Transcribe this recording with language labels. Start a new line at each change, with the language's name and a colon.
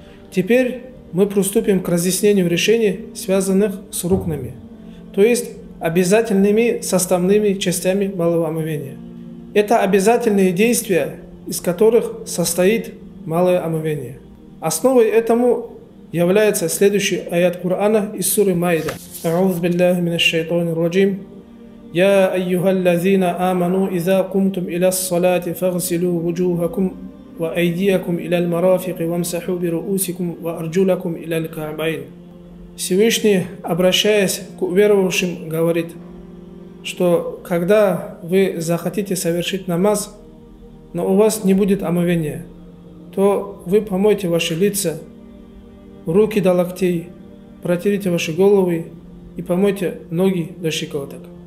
Russian: Теперь мы приступим к разъяснению решений, связанных с рукнами, то есть обязательными составными частями малого омовения. Это обязательные действия, из которых состоит малое омовение. Основой этому является следующий аят Корана из суры Маида.
Arabic: أعوذ بالله من الشيطان الرجيم يا أيها الذين آمنوا إذا قمتم إلى الصلاة فاغسلوا وجوهكم وأيديكم إلى المرافق وامسحوا برؤوسكم وأرجلكم إلى الكعبين.
Russian: Всевышний, обращаясь к уверовавшим, говорит, что когда вы захотите совершить намаз, но у вас не будет омовения, то вы помойте ваши лица, руки до локтей, протерите ваши головы и помойте ноги до щиколоток.